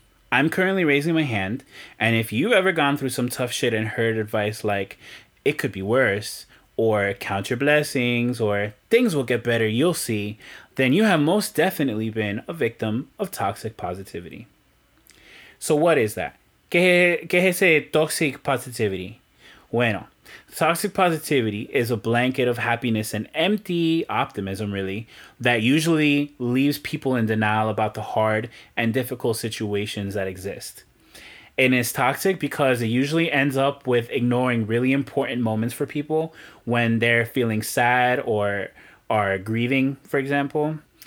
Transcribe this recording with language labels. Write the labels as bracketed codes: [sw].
[en] I'm currently raising my hand, and if you've ever gone through some tough shit and heard advice like, it could be worse, or count your blessings, or things will get better, you'll see, then you have most definitely been a victim of toxic positivity. So what is that? [es] ¿Qué es ese toxic positivity? [en] Bueno, toxic positivity is a blanket of happiness and empty optimism, really, that usually leaves people in denial about the hard and difficult situations that exist. And it's toxic because it usually ends up with ignoring really important moments for people when they're feeling sad or are grieving, for example.